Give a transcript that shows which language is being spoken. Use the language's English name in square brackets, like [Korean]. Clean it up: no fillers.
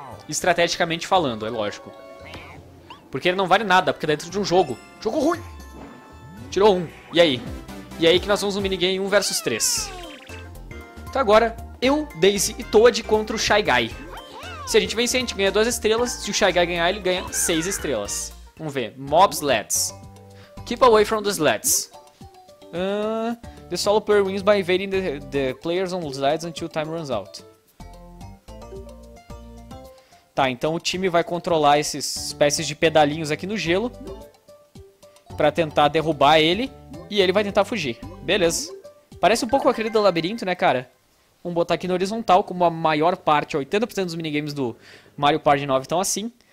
[Portuguese] Estrategicamente falando, é lógico. Porque ele não vale nada, porque dentro de um jogo. Jogo ruim! Tirou um. E aí? E aí que nós vamos no minigame 1 versus 3. Então agora, eu, Daisy e Toad contra o Shy Guy. Se a gente vencer, a gente ganha 2 estrelas. Se o Shy Guy ganhar, ele ganha 6 estrelas. Vamos ver. [English] Mob Sleds. Keep away from the Sleds. The solo player wins by evading the players on Sleds until time runs out. [Portuguese] Tá, então o time vai controlar esses espécies de pedalinhos aqui no gelo. Pra tentar derrubar ele. E ele vai tentar fugir. Beleza. Parece um pouco aquele do labirinto, né, cara? Vamos botar aqui no horizontal, como a maior parte, 80% dos minigames do Mario Party 9 estão assim.